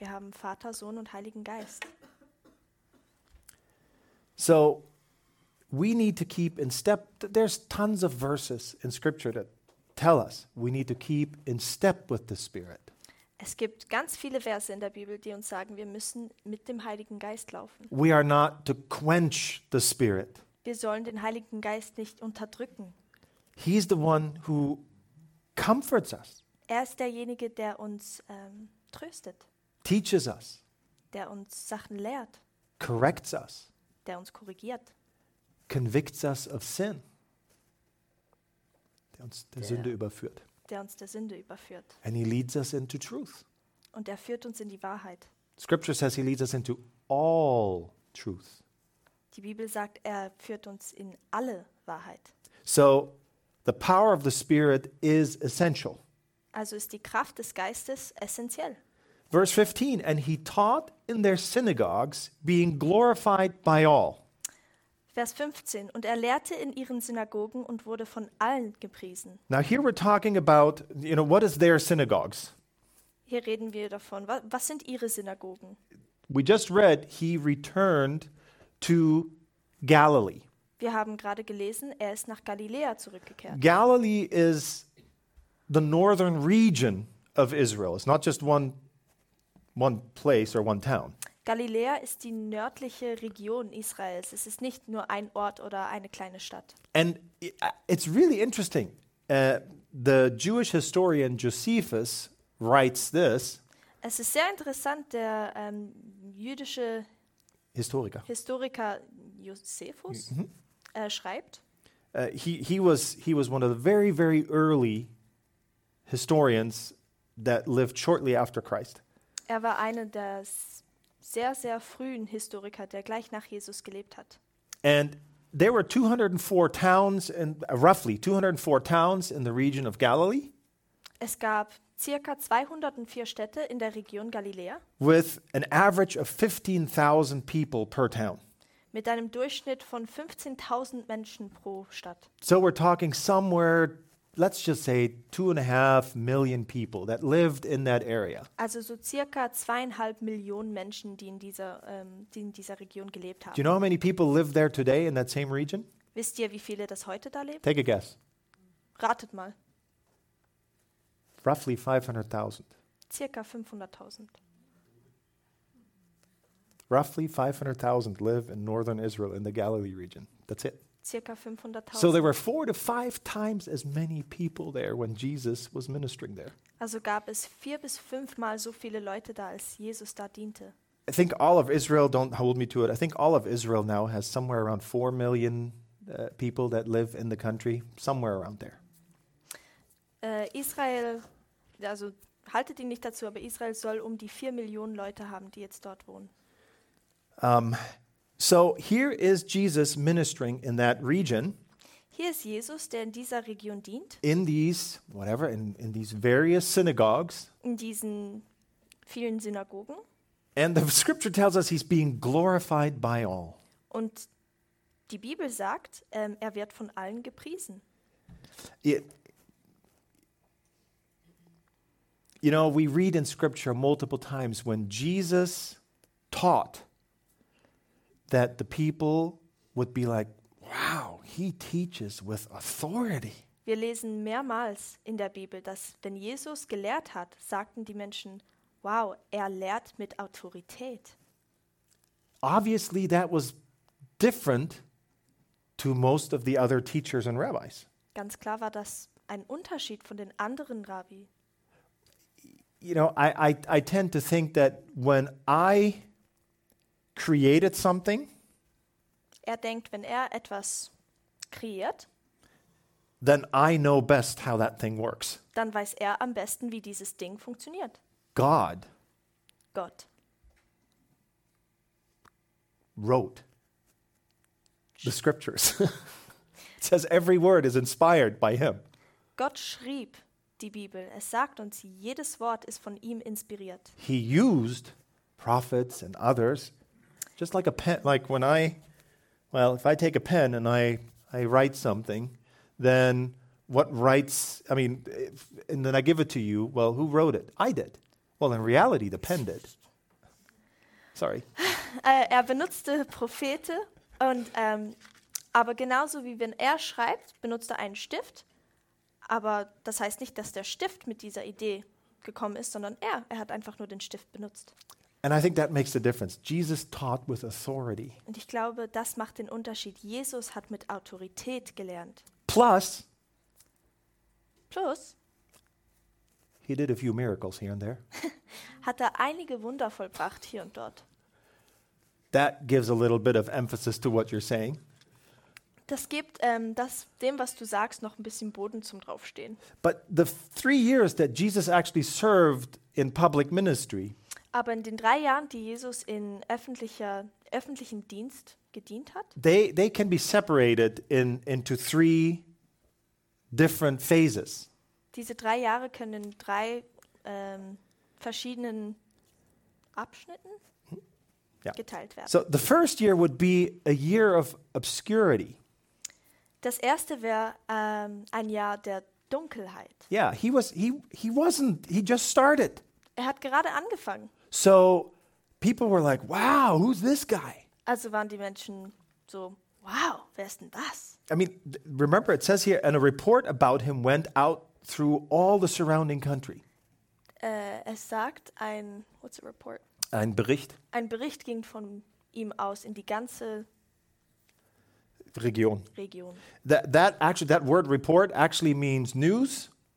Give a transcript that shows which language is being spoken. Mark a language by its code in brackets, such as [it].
[de] Wir haben Vater, Sohn und Heiligen Geist. [en] So, we need to keep in step. There's tons of verses in Scripture that tell us we need to keep in step with the Spirit. [de] Es gibt ganz viele Verse in der Bibel, die uns sagen, wir müssen mit dem Heiligen Geist laufen. [en] We are not to quench the Spirit. [de] Wir sollen den Heiligen Geist nicht unterdrücken. [en] He's the one who comforts us. [de] Er ist derjenige, der uns tröstet. [en] Teaches us. [de] Der uns Sachen lehrt. [en] Corrects us. [de] Der uns korrigiert. [en] Convicts us of sin. [de] Der uns der Sünde überführt. Der uns der Sünde überführt. [en] And he leads us into truth. [de] Und er führt uns in die Wahrheit. [en] Scripture says he leads us into all truth. [de] Die Bibel sagt, er führt uns in alle Wahrheit. [en] So, the power of the Spirit is essential. [de] Also ist die Kraft des Geistes essentiell. [en] Verse 15, and he taught in their synagogues, being glorified by all. [de] Vers 15, und er lehrte in ihren Synagogen und wurde von allen gepriesen. [en] Now here we're talking about, you know, what is their synagogues? [de] Hier reden wir davon, was sind ihre Synagogen? [en] We just read, he returned to Galilee. [de] Wir haben gerade gelesen, er ist nach Galiläa zurückgekehrt. [en] Galilee is the northern region of Israel. It's not just one place or one town. [de] Galiläa ist die nördliche Region Israels. Es ist nicht nur ein Ort oder eine kleine Stadt. [en] And it's really interesting. The Jewish historian Josephus writes this. [de] Es ist sehr interessant, der jüdische Historiker Josephus schreibt. [en] He was one of the very, very early historians that lived shortly after Christ. [de] Er war einer der sehr, sehr frühen Historiker, der gleich nach Jesus gelebt hat. [en] And there were 204 towns in roughly 204 towns in the region of Galilee. [de] Es gab circa 204 Städte in der Region Galiläa. [en] With an average of 15,000 people per town. [de] Mit einem Durchschnitt von 15,000 Menschen pro Stadt. [en] So we're talking somewhere, let's just say 2.5 million people that lived in that area. [de] Also so circa 2.5 Millionen Menschen, die in dieser Region gelebt haben. [en] Do you know how many people live there today in that same region? [de] Wisst ihr, wie viele das heute da leben? [en] Take a guess. [de] Ratet mal. [en] Roughly 500,000. [de] Circa 500,000. [en] Roughly 500,000 live in northern Israel in the Galilee region. That's it. [de] Circa 500,000. [en] So there were 4 to 5 times as many people there when Jesus was ministering there. [de] Also gab es 4 bis 5 Mal so viele Leute da, als Jesus da diente. [en] I think all of Israel, don't hold me to it, I think all of Israel now has somewhere around 4 million people that live in the country, somewhere around there. [de] Israel, also haltet ihn nicht dazu, aber Israel soll um die 4 Millionen Leute haben, die jetzt dort wohnen. [en] So here is Jesus ministering in that region. [de] Hier ist Jesus, der in dieser Region dient. [en] In these, whatever, in these various synagogues. [de] In diesen vielen Synagogen. [en] And the scripture tells us he's being glorified by all. [de] Und die Bibel sagt, er wird von allen gepriesen. [en] You know, we read in scripture multiple times when Jesus taught that the people would be like, wow, he teaches with authority. [de] Wir lesen mehrmals in der Bibel, dass wenn Jesus gelehrt hat, sagten die Menschen, wow, er lehrt mit Autorität. [en] Obviously that was different to most of the other teachers and rabbis. [de] Ganz klar war das ein Unterschied von den anderen Rabbi. [en] You know, I tend to think that when I created something, [de] er denkt, wenn er etwas kreiert, [en] then I know best how that thing works. [de] Dann weiß er am besten, wie dieses Ding funktioniert. [en] God. [de] Gott. [en] Wrote. The scriptures. It says every word is inspired by him. [de] Gott schrieb die Bibel. Es sagt uns, jedes Wort ist von ihm inspiriert. [en] He used prophets and others, just like a pen. Like when I, well, if I take a pen and I write something, then what writes, I mean, if, and then I give it to you, well, who wrote it? I did. Well, in reality, the pen did. Sorry. [de] Er benutzte Propheten. Und aber genauso wie wenn er schreibt, benutzt er einen Stift. Aber das heißt nicht, dass der Stift mit dieser Idee gekommen ist, sondern er hat einfach nur den Stift benutzt. [en] And I think that makes a difference. Jesus taught with authority. [de] Und ich glaube, das macht den Unterschied. Jesus hat mit Autorität gelernt. [en] Plus. He did a few miracles here and there. [de] Hat er einige Wunder vollbracht hier und dort. [en] That gives a little bit of emphasis to what you're saying. [de] Das gibt dem, was du sagst, noch ein bisschen Boden zum Draufstehen. [en] But the 3 years that Jesus actually served in public ministry. [de] Aber in den 3 Jahren, die Jesus in öffentlichem Dienst gedient hat. [en] They can be separated into 3 different phases. [de] Diese 3 Jahre können in 3 verschiedenen Abschnitten. [en] Yeah. [de] Geteilt werden. [en] So the first year would be a year of obscurity. [de] Das erste wäre ein Jahr der Dunkelheit. [en] Yeah, he just started. [de] Er hat gerade angefangen. [en] So people were like, wow, who's this guy? [de] Also waren die Menschen so, wow, wer ist denn das? [en] I mean, remember it says here, and a report about him went out through all the surrounding country. [de] Es sagt ein, [en] what's a report? [de] Ein Bericht. Ein Bericht ging von ihm aus in die ganze Region. [en] That word report actually means news.